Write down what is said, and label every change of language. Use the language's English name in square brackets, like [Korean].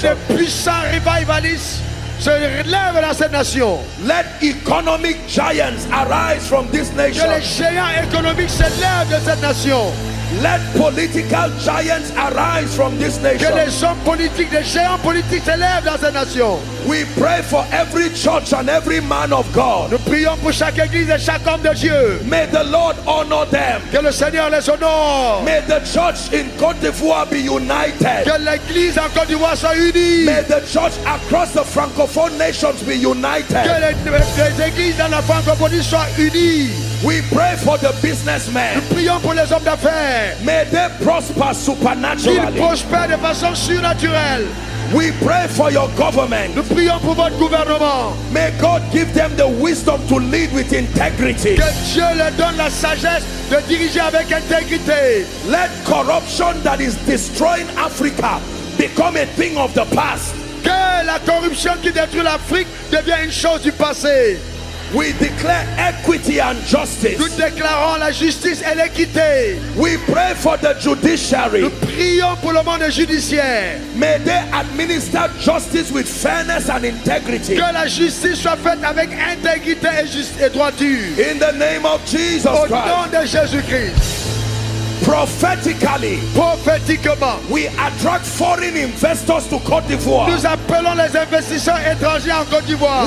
[French] Que de puissants revivalists se lèvent dans cette nation. [English] Let economic giants arise from this nation. [French] Que les géants économiques se lèvent de cette nation. [English] Let political giants arise from this nation. [French] Que les hommes politiques, les géants politiques se lèvent dans cette nation. [English] We pray for every church and every man of God. [French] Nous prions pour chaque église et chaque homme de Dieu. [English] May the Lord honor them. [French] Que le Seigneur les honore. [English] May the church in Côte d'Ivoire be united. [French] Que l'église en Côte d'Ivoire soit unie. [English] May the church across the francophone nations be united. [French] Que les églises dans la francophonie soient unies. [English] We pray for the businessmen. [French] Nous prions pour les hommes d'affaires. [English] May they prosper supernaturally. [French] Qu'ils prospèrent de façon surnaturelle. [English] We pray for your government. [French] Nous prions pour votre gouvernement. [English] May God give them the wisdom to lead with integrity. [French] Que Dieu leur donne la sagesse de diriger avec intégrité. [English] Let corruption that is destroying Africa become a thing of the past. [French] Que la corruption qui détruit l'Afrique devienne une chose du passé. [English] We declare equity and justice. [French] Nous déclarons la justice et l'équité. [English] We pray for the judiciary. [French] Nous prions pour le monde judiciaire. [English] May they administer justice with fairness and integrity. [French] Que la justice soit faite avec intégrité et droiture. [English] In the name of Jesus [French] Christ. Au nom de Jésus-Christ. [English] Prophetically, [French] prophétiquement, [English] we attract foreign investors to Côte d'Ivoire. [French] Nous appelons les investisseurs étrangers en Côte d'Ivoire.